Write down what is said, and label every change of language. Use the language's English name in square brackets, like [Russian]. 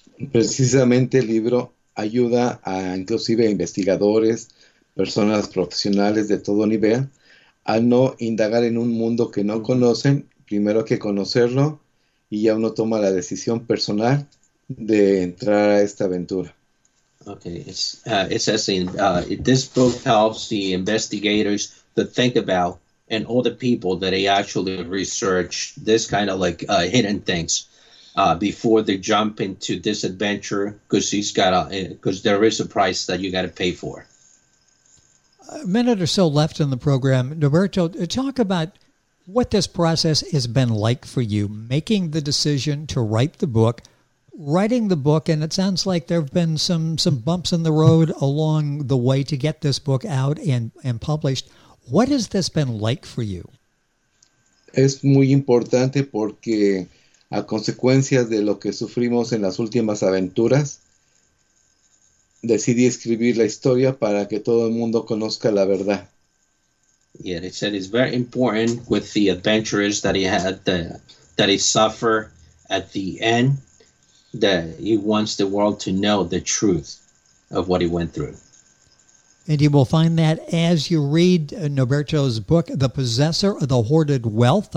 [Spanish] Precisamente el libro ayuda a inclusive a investigadores, personas profesionales de todo nivel a no indagar en un mundo que no conocen, primero que conocerlo y ya uno toma la decisión personal de entrar a esta aventura. [English] Okay, it says in this book helps the investigators to think about and all the people that they actually research this kind of like hidden things before they jump into this adventure because he's got a because there is a price that you got to pay for. A minute or so left in the program. Norberto, talk about what this process has been like for you, making the decision to write the book. Writing the book, and it sounds like there have been some bumps in the road along the way to get this book out and published. What has this been like for you? [Spanish] Es muy importante porque a consecuencia de lo que sufrimos en las últimas aventuras, decidí escribir la historia para que todo el mundo conozca la verdad. [English] Yeah, they said it's very important with the adventures that he had, that he suffered at the end. That he wants the world to know the truth of what he went through. And you will find that as you read Norberto's book, The Possessor of the Hoarded Wealth.